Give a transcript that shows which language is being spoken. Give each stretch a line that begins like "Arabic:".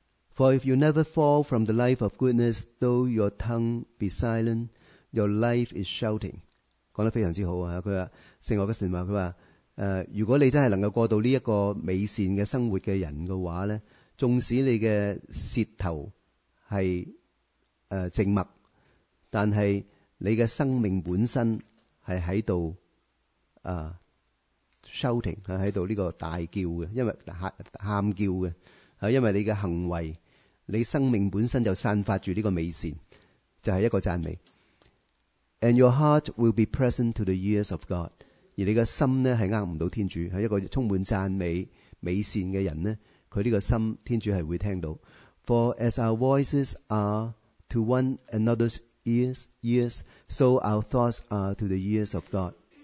English: For if you never fall from the life of goodness, though your tongue be silent, your life is shouting.
Cantonese: 讲得非常之好啊！佢话圣奥古斯丁话，佢话如果你真系能够过到呢一个美善嘅生活嘅人嘅话咧，纵使你嘅舌头系静默，但系你嘅生命本身系喺度shouting， 喺度呢个大叫嘅，因为喊叫嘅，因为你嘅行为，你生命本身就散发住呢个美善，就系一个赞美。
English: And your heart will be present to the ears of God.
Cantonese: 而你个心咧系呃唔到天主，系一个充满赞美、美善嘅人咧，佢呢个心天主系会听到。
English: For as our voices are to one another's ears, so our thoughts are to the ears of God.